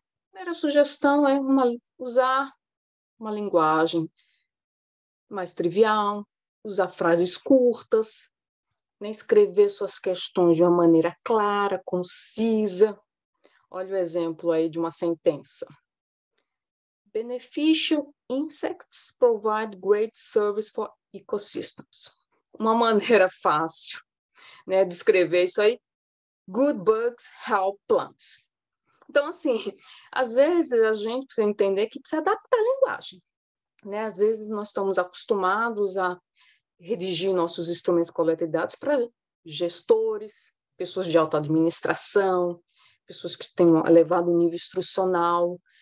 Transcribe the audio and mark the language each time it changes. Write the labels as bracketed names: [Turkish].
[Portuguese] Primeira sugestão é usar uma linguagem mais trivial, usar frases curtas, né, escrever suas questões de uma maneira clara, concisa. Olha o exemplo aí de uma sentença. [English] Beneficial insects provide great service for ecosystems. [Portuguese] Uma maneira fácil, né, de escrever isso aí. [English] Good bugs help plants. [Portuguese] Então, assim, às vezes a gente precisa entender que precisa adaptar a linguagem, né? Às vezes nós estamos acostumados a redigir nossos instrumentos de coleta de dados para gestores, pessoas de auto-administração, pessoas que têm um elevado nível instrucional.